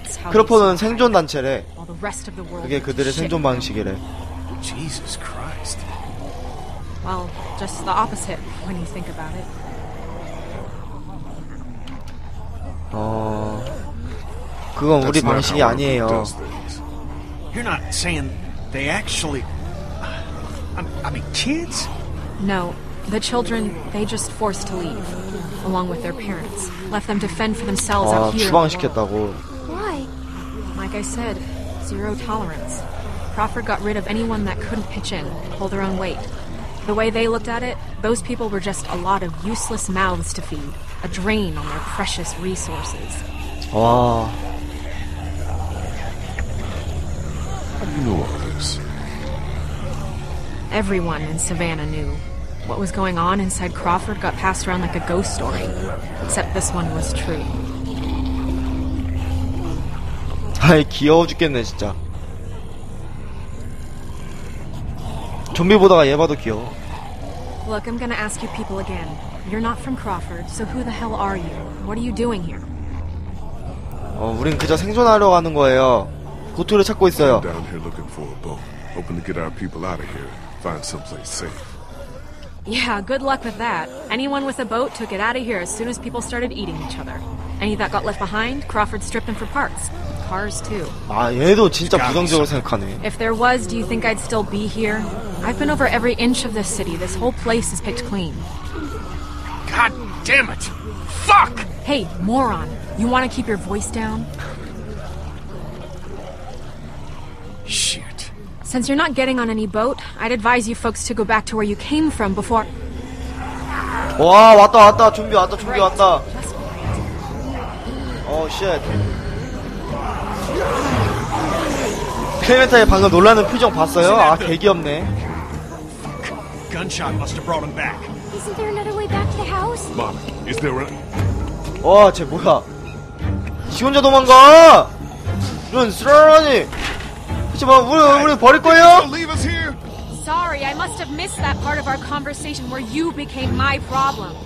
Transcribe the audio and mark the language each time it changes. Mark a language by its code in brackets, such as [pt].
[ko] 크로포드는 생존 단체래. 그게 그들의 생존 방식이래. [en] Jesus Christ. Well, just the opposite when you think about it. [ko] 그건 우리 방식이 아니에요. [en] You're not saying they actually I mean, kids? No, the children, they just forced to leave, along with their parents. Left them to fend for themselves out here. [ko] 추방시켰다고. [en] Why? Like I said, zero tolerance. Crawford got rid of anyone that couldn't pitch in, pull their own weight. The way they looked at it, those people were just a lot of useless mouths to feed, a drain on their precious resources. [ko] 와. [en] How do you know all this? Everyone in Savannah knew. What was going on inside Crawford got passed around like a ghost story. Except this one was true. [ko] 아이, 귀여워 죽겠네, 진짜. 좀비보다가 얘 봐도 귀여워. [en] Look, I'm gonna ask you people again. You're not from Crawford, so who the hell are you? What are you doing here? [ko] 우린 그저 생존하려고 하는 거예요. 보트를 찾고 있어요. [en] I'm down here looking for a boat. Hoping to get our people out of here. Find someplace safe. Yeah, good luck with that. Anyone with a boat took it out of here as soon as people started eating each other. Any that got left behind, Crawford stripped them for parts. Cars too. [ko] 아, 얘도 진짜 부정적으로 생각하네. [en] If there was, do you think I'd still be here? I've been over every inch of this city. This whole place is picked clean. God damn it! Fuck! Hey, moron. You want to keep your voice down? Shit. Since you're not getting on any boat, I'd advise you folks to go back to where you came from before. [ko] 와, 왔다 왔다. 좀비 왔다. 좀비 왔다. [en] Oh shit. [ko] 클레멘타의 방금 놀라는 표정 봤어요? 아, 개귀엽네. [en] Gunshot must have brought him back. Isn't there another way back to the house? Mom, is there a [ko] 와, 쟤 뭐야? 지 혼자 도망가. 이런 쓰라라니. 우리 버릴 거예요? [en] Sorry, I must have missed that part of our conversation where you became my problem.